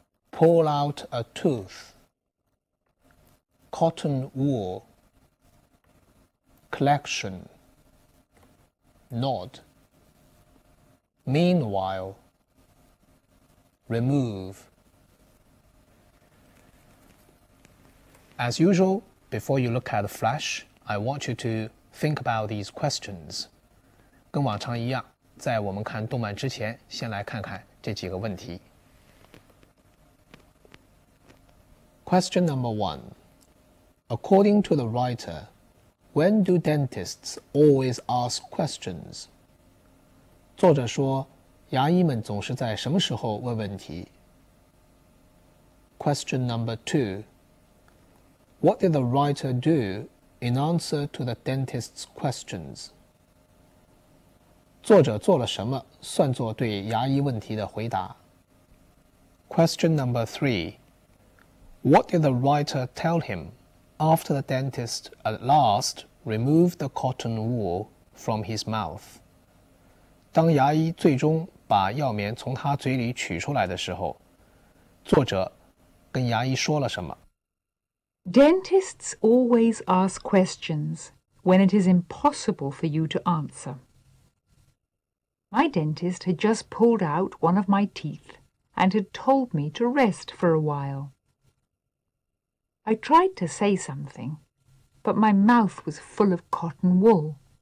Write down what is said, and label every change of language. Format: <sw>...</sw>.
<en>Pull out a tooth. Cotton wool. Collection. Nod. Meanwhile. Remove. As usual, before you look at the flash, I want you to think about these questions.</en> <zh>跟往常一样，在我们看动漫之前，先来看看这几个问题。</zh> <en>Question number one. According to the writer,When do dentists always ask questions?</en> <zh>作者说，牙医们总是在什么时候问问题？</zh> <en>Question number two. What did the writer do in answer to the dentist's questions?</en> <zh>作者做了什么，算作对牙医问题的回答？</zh> <en>Question number three. What did the writer tell him after the dentist at last? Remove the cotton wool from his mouth.</en> <zh>当牙医最终把药棉从他嘴里取出来的时候，作者跟牙医说了什么？</zh> <en>Dentists always ask questions when it is impossible for you to answer. My dentist had just pulled out one of my teeth and had told me to rest for a while. I tried to say something. But my mouth was full of cotton wool.</en>